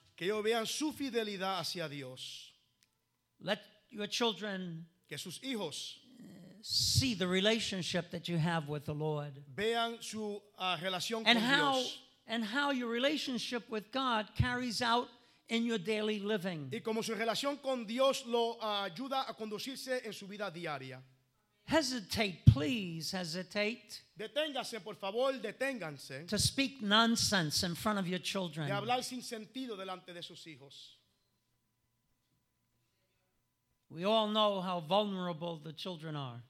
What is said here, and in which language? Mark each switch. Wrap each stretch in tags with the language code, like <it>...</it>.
<es>Que ellos vean su fidelidad hacia Dios.</es> <en>Let your children</en> <es>que sus hijos</es> <en>see the relationship that you have with the Lord.</en> <es>Vean su relación</es> <en>and</en> <es>con</es> <en>how,</en> <es>Dios.</es> <en>And how your relationship with God carries out in your daily living.</en> <es>Y como su relación con Dios lo ayuda a conducirse en su vida diaria.</es> <en>Hesitate, please hesitate.</en> <es>Deténganse, por favor, deténganse.</es> <en>To speak nonsense in front of your children.</en> <es>De hablar sin sentido delante de sus hijos.</es> <en>We all know how vulnerable the children are.</en>